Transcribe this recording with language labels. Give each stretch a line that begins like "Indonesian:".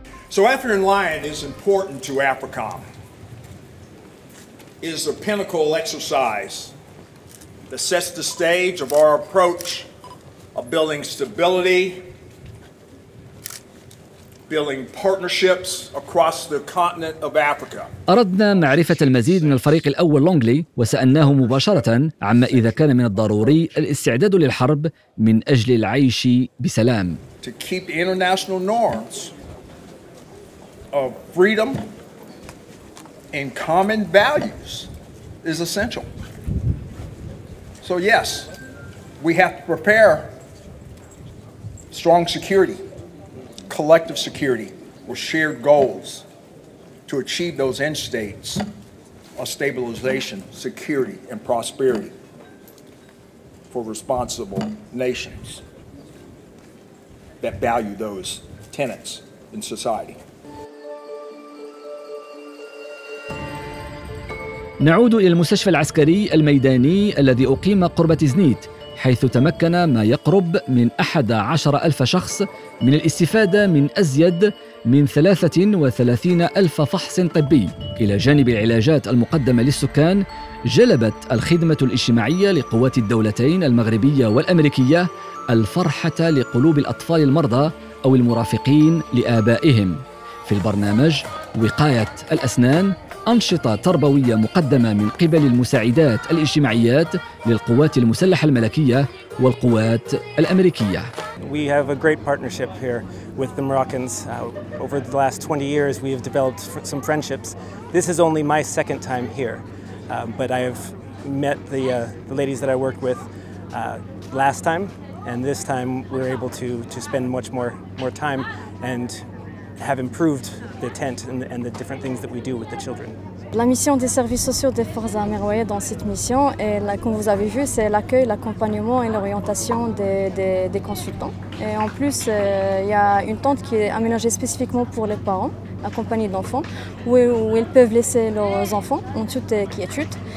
English: So Afrin and Lion is important to AFRICOM. It is a pinnacle exercise that sets the stage of our approach of building stability, building partnerships across the continent of Africa.
Arabic: أردنا معرفة المزيد من الفريق الأول لونغلي وسألناه مباشرة عما إذا كان من الضروري الاستعداد للحرب من أجل العيش بسلام.
English: To keep the international norms of freedom and common values is essential. So yes, we have to prepare strong security. Collective security or shared goals to achieve those end states of stabilization, security, and prosperity for responsible nations that value those tenets in society.
Arabic: نعود إلى المستشفى العسكري الميداني الذي أقيم قرب تيزنيت، حيث تمكن ما يقرب من 11,000 شخص من الاستفادة من أزيد من 33,000 فحص طبي، إلى جانب العلاجات المقدمة للسكان. جلبت الخدمة الاجتماعية لقوات الدولتين المغربية والأمريكية الفرحة لقلوب الأطفال المرضى أو المرافقين لآبائهم. في البرنامج وقاية الأسنان، أنشطة تربوية مقدمة من قبل المساعدات الاجتماعيات للقوات المسلحة الملكية والقوات الأمريكية.
English: We have a great partnership here with the Moroccans. Over the last 20 years we have developed some friendships. This is only my second time here. But I have met the ladies that I worked with last time, and this time we're able to spend much more time and have improved the tent and the different things that we do with the children.
French: La mission des services sociaux des forces armées royales dans cette mission est, comme vous avez vu, c'est l'accueil, l'accompagnement et l'orientation des consultants. Et en plus, il y a une tente qui est aménagée spécifiquement pour les parents accompagnés d'enfants, où ils peuvent laisser leurs enfants en toute quiétude.